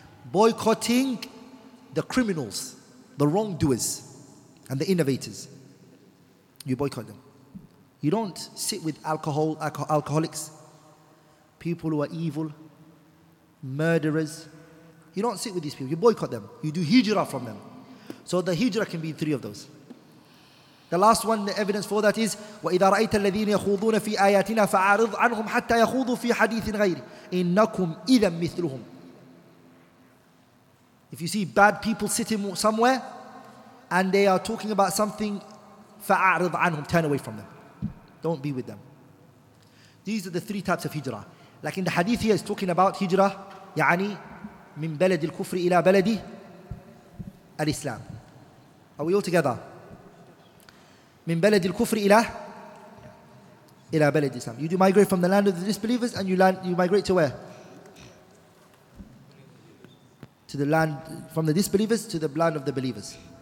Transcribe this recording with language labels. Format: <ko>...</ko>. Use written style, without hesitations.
<en>Boycotting the criminals, the wrongdoers, and the innovators. You boycott them. You don't sit with alcoholics, people who are evil, murderers. You don't sit with these people. You boycott them. You do hijrah from them. So the hijrah can be three of those.</en> <ar>The last one, the evidence for that is وَإِذَا رَأَيْتَ الَّذِينَ يَخُوضُونَ فِي آيَاتِنَا فَأَعْرِضْ عَنْهُمْ حَتَّى يَخُوضُوا فِي حَدِيثٍ غَيْرِ إِنَّكُمْ إِذَا مِثْلُهُمْ.</ar> <en>If you see bad people sitting somewhere and they are talking about something,</en> <ar>فَأَعْرِضْ عَنْهُمْ,</ar> <en>turn away from them. Don't be with them. These are the three types of hijrah. Like in the hadith here, it's talking about hijrah,</en> <ar>يعني من بلد الكفر إلى بلد الإسلام.</ar> <en>Are we all together?</en> <ar>من بلد الكفر إلى إلى بلد الإسلام.</ar> <en>You do migrate from the land of the disbelievers and you migrate to where? To the land from the disbelievers to the land of the believers.</en>